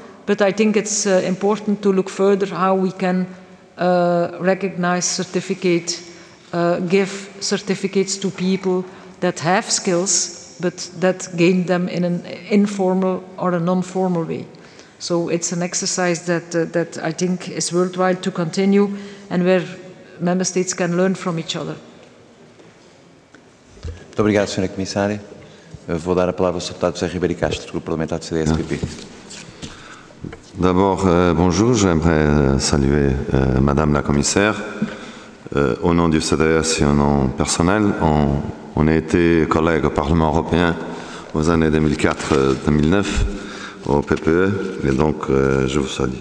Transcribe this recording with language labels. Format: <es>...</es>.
<en>But I think it's important to look further how we can recognize certificate, give certificates to people that have skills, but that gain them in an informal or a non-formal way. So it's an exercise that that I think is worthwhile to continue, and where member states can learn from each other.</en> <pt>Muito obrigado, Sra. Comissária. Vou dar a palavra ao deputado José Ribeiro Castro, do Grupo Parlamentar do CDS-PP.</pt> <fr>D'abord, bonjour. J'aimerais saluer Madame la Commissaire. Au nom du CDS et au nom personnel, on a été collègues au Parlement européen aux années 2004-2009 au PPE, et donc je vous salue.</fr>